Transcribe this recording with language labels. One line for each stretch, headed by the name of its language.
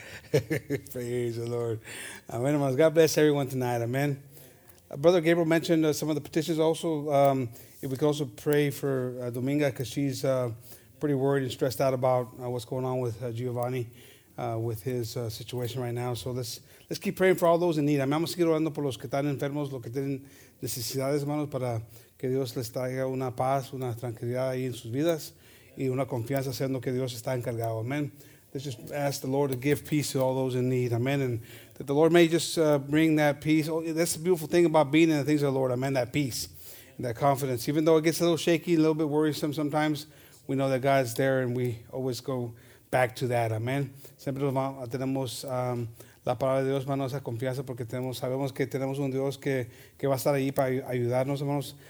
English: Praise the Lord. Amen, hermanos. God bless everyone tonight. Amen. Brother Gabriel mentioned some of the petitions also. If we could also pray for Dominga, because she's pretty worried and stressed out about what's going on with Giovanni with his situation right now. So let's keep praying for all those in need. Amen.
Spanish: Vamos a seguir orando por los que están enfermos, los que tienen necesidades, hermanos, para que Dios les traiga una paz, una tranquilidad ahí en sus vidas y una confianza siendo que Dios está encargado. Amen.
English: Let's just ask the Lord to give peace to all those in need. Amen. And that the Lord may just bring that peace. Oh, that's the beautiful thing about being in the things of the Lord. Amen. That peace and that confidence. Even though it gets a little shaky, a little bit worrisome sometimes, we know that God's there and we always go back to that. Amen.
Spanish: Siempre tenemos la palabra de Dios, hermanos, esa confianza, porque sabemos que tenemos un Dios que va a estar ahí para ayudarnos, hermanos.